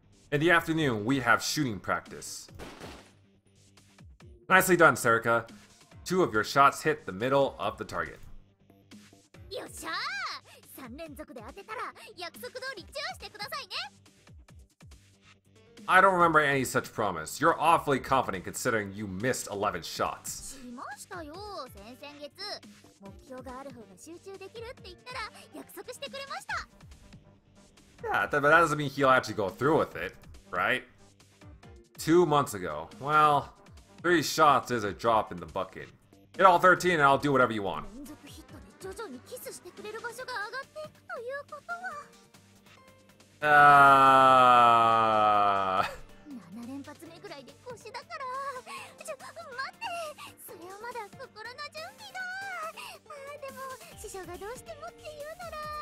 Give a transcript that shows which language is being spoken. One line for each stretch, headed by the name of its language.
English: In the afternoon, we have shooting practice. Nicely done, Serica. Two of your shots hit the middle of the target.
Japanese: Yosha! 3連続で当てたら約束通りチューしてくださいね。
English: I don't remember any such promise. You're awfully confident considering you missed 11 shots.
Japanese: しましたよ、先々月。目標がある方が集中できるって言ったら約束してくれました。
English: Yeah, but that doesn't mean he'll actually go through with it, right? 2 months ago. Well, 3 shots is a drop in the bucket. Hit all 13 and I'll do whatever you want.
Japanese: 連続ヒットで徐々にキスしてくれる場所が上がっていくということは…7連発目ぐらいで腰だから、ちょっと待って、それはまだ心の準備だ。まあでも師匠がどうしてもって言うなら。